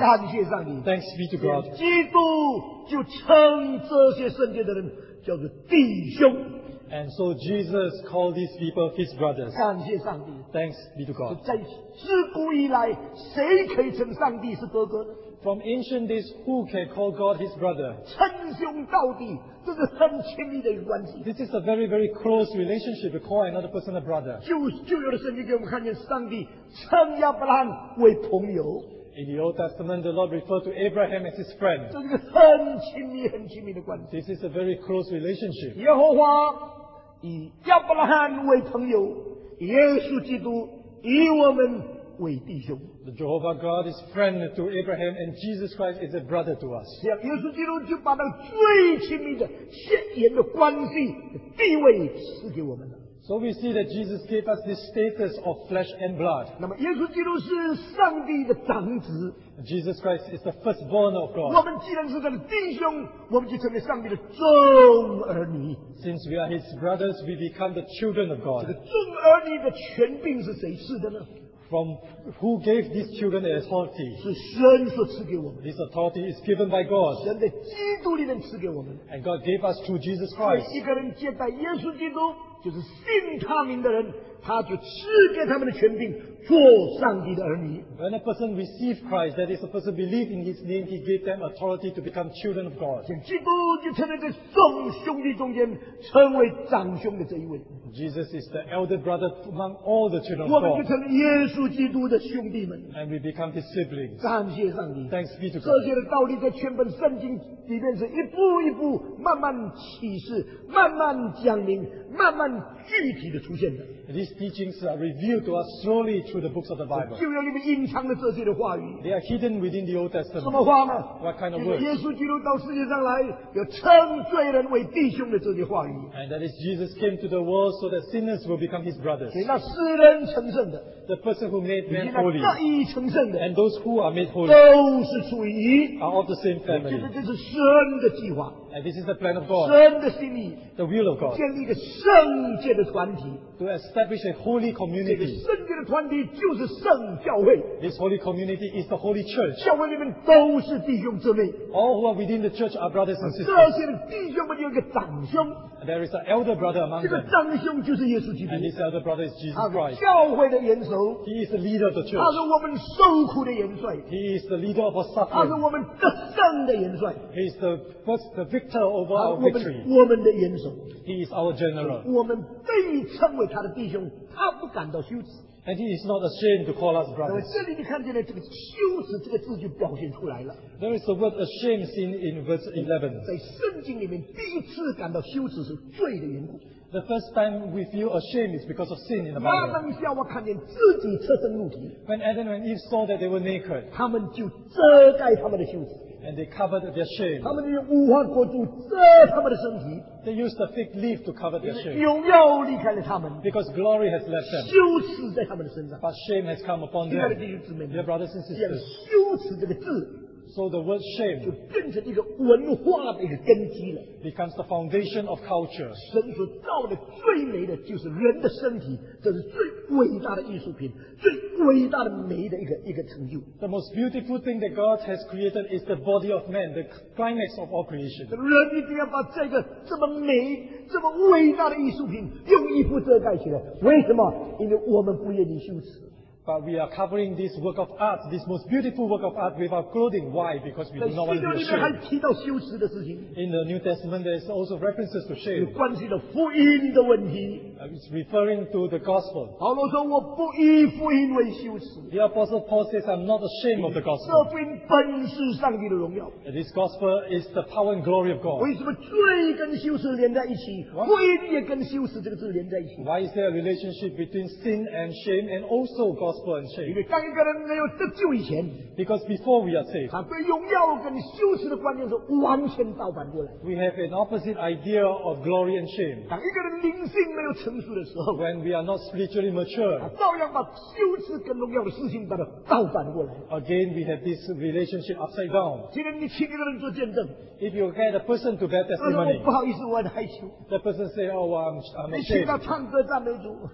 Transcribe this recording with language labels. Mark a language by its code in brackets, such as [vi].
[zh] 感谢上帝。 [en] Thanks be to God. [zh] 基督就称这些圣洁的人叫做弟兄。 [en] And so Jesus called these people his brothers. [zh] 感谢上帝。 [en] Thanks be to God. [zh] 在自古以来，谁可以称上帝是哥哥？ [en] From ancient days, who can call God his brother? [zh] 称兄道弟，这是很亲密的关系。 [en] This is a very, very close relationship to call another person a brother. [zh] 旧约的圣经给我们看见，上帝称亚伯拉罕为朋友。 [en] In the Old Testament, the Lord referred to Abraham as his friend. [zh] 这是个很亲密、很亲密的关系。 [en] This is a very close relationship. [zh] 耶和华以亚伯拉罕为朋友，耶稣基督以我们为弟兄。 [en] The Jehovah God is friend to Abraham, and Jesus Christ is a brother to us. [zh] 这样，耶稣基督就把那最亲密的血缘的关系、地位赐给我们了。 [en] So we see that Jesus gave us this status of flesh and blood. [zh] 那么耶稣基督是上帝的长子。 [en] Jesus Christ is the firstborn of God. [zh] 我们既然是他的弟兄，我们就成为上帝的众儿女。 [en] Since we are his brothers, we become the children of God. [zh] 这个众儿女的权柄是谁赐的呢？ [en] From who gave these children the authority? [zh] 是神所赐给我们。 [en] This authority is given by God. [zh] 神在基督里面赐给我们。 [en] And God gave us through Jesus Christ. [zh] 一个人接待耶稣基督。就是信他名的人，他就赐给他们的权柄，做上帝的儿女。 [en] When a person receives Christ, that is a person believe in His name, He gave them authority to become children of God. [zh] 基督就成为这众兄弟中间成为长兄的这一位。 [en] Jesus is the elder brother among all the children of God. [zh] 我们就成耶稣基督的兄弟们。 [en] And we become His siblings. [zh] 感谢上帝。 [en] Thanks be to God. [zh] 这些的道理在全本圣经里面是一步一步慢慢启示，慢慢讲明，慢慢具体的出现的。 [en] These teachings are revealed to us slowly through the books of the Bible. [zh] 旧约里面隐藏的这些的话语。 [en] They are hidden within the Old Testament. [zh] 什么话吗？ [en] What kind of words? [zh] 耶稣基督到世界上来，要称罪人为弟兄的这些话语。 [en] And that is Jesus came to the world so that sinners will become his brothers. [zh] 给那世人成圣的。 [en] The person who made man holy. [zh] 那已成圣的。 [en] And those who are made holy. [zh] 都是属于一。 [en] Are of the same family. [zh] 这是神的计划。 [en] And this is the plan of God. [zh] 神的心意。 [en] The will of God. [zh] 建立一个圣洁的团体。 [en] To establish a holy community. [zh] 这个圣洁这个团体就是圣教会。 [en] This holy community is the holy church. [zh] 教会里面都是弟兄姊妹。 [en] All who are within the church are brothers and sisters. [zh] 这些弟兄们有一个长兄。 [en] There is an elder brother among them. [zh] 这个长兄就是耶稣基督。 [en] And this elder brother is Jesus Christ. [zh] 教会的元首。 [en] He is the leader of the church. [zh] 他是我们受苦的元帅。 [en] He is the leader of our suffering. [zh] 他是我们得胜的元帅。 [en] He is the first, the victor over our victory. [zh] 我们的元首。 [en] He is our general. [zh] 我们被称为他的弟兄，他不感到羞耻。 [en] And he is not ashamed to call us brothers. [zh] 这里你看见了这个羞耻这个字就表现出来了。 [en] There is the word ashamed seen in verse 11. [zh] 在圣经里面，第一次感到羞耻是罪的缘故。 [en] The first time we feel ashamed is because of sin in the Bible. [zh] 亚当夏娃看见自己赤身露体。 [en] When Adam and Eve saw that they were naked, [zh] 他们就遮盖他们的羞耻。 [en] And they covered their shame. [zh] 他们用无花果树遮他们的身体。 [en] They used the fig leaf to cover their shame. [zh] 荣耀离开了他们。 [en] Because glory has left them. [zh] 羞耻在他们的身上。 [en] But shame has come upon them. [zh] 亲爱的弟兄姊妹们。 [en] Dear brothers and sisters. [zh] 羞耻这个字。 [en] So the word shame. [zh] 就变成一个文化的一个根基了。 [en] Becomes the foundation of culture. [zh] 神所造的最美的就是人的身体，这是最伟大的艺术品，最伟大的美的一个成就。 [en] The most beautiful thing that God has created is the body of man, the climax of all creation. [zh] 人一定要把这个这么美、这么伟大的艺术品用衣服遮盖起来。为什么？因为我们不愿意羞耻。 [en] But we are covering this work of art, this most beautiful work of art, with our clothing. Why? Because we do not want to be ashamed. [zh] 在新约里面还提到羞耻的事情。 [en] In the New Testament, there is also references to shame. [zh] 有关系的福音的问题。 [en] It's referring to the gospel. [zh] 保罗说：“我不以福音为羞耻。” [en] The apostle Paul says, "I'm not ashamed of the gospel." [zh] 这福音本是上帝的荣耀。 [en] This gospel is the power and glory of God. [zh] 为什么罪跟羞耻连在一起？福音也跟羞耻这个字连在一起。 [en] Why is there a relationship between sin and shame and also gospel and shame? [zh] 因为当一个人没有得救以前， [en] because before we are saved, [zh] 他对荣耀跟羞耻的观念是完全倒反过来。 [en] We have an opposite idea of glory and shame. [zh] 当一个人灵性没有成。 [en] When we are not spiritually mature, again we have this relationship upside down. If you get a person to bear testimony, the person says, "Oh, I'm ashamed."